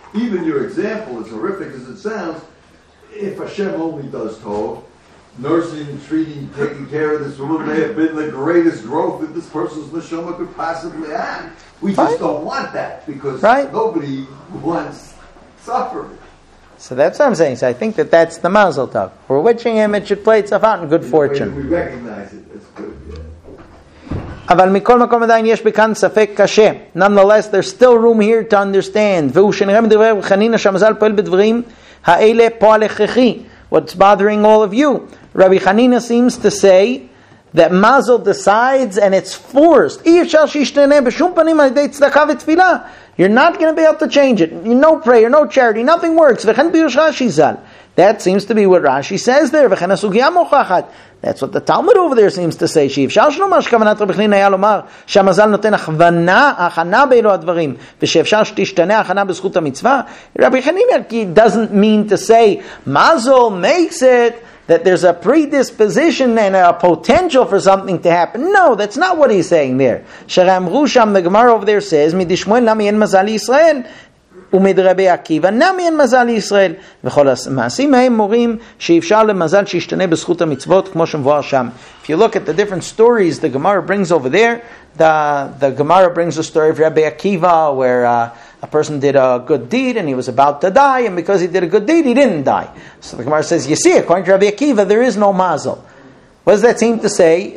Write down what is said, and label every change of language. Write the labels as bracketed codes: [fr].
[en] Even your example, as horrific as it sounds, if Hashem only does tov, nursing, treating, taking care of this woman may have been the greatest growth that this person's neshama could possibly have. We just don't want that because nobody wants suffering. So that's what I'm saying. So I think that's the mazel tov. We're wishing him it should play itself out in good fortune. We recognize it as good. Yeah. [he] אבל מכל מקום עדיין יש בכאן ספק קשה. [en] Nonetheless, there's still room here to understand. [he] והוא שנראה מדברי חנינה שהמזל פועל בדברים האלה פועל הכרחי. [en] What's bothering all of you? Rabbi Hanina seems to say that mazel decides and it's forced. [he] אי אפשר שישתנה בשום פנים על ידי צדקה ותפילה. [en] You're not going to be able to change it. No prayer, no charity, nothing works. [he] וכן ביוש רשי זל. [en] That seems to be what Rashi says there. [he] וכן הסוגיה מוכחת. [en] That's what the Talmud over there seems to say. [he] שאפשר שלומר שכוונת רבי חנינא היה לומר שהמזל נותן הכוונה, הכנה באלו הדברים, ושאפשר שתשתנה הכנה בזכות המצווה. [en] רבי חנינא doesn't mean to say, mazel makes it that there's a predisposition and a potential for something to happen. No, that's not what he's saying there. [he] שהרי אמרו שם, [en] the Gemara over there says, [he] מדשמואל למה אין מזל לישראל? ומד רבי עקיבא, נמי אין מזל לישראל. וכל המעשים מהם מורים שאפשר למזל שישתנה בזכות המצוות, כמו שמבואר שם. [en] If you look at the different stories the Gemara brings over there, the Gemara brings the story of Rabbi Akiva, where a person did a good deed and he was about to die, and because he did a good deed, he didn't die. So the Gemara says, you see, according to Rabbi Akiva, there is no mazel. What does that seem to say?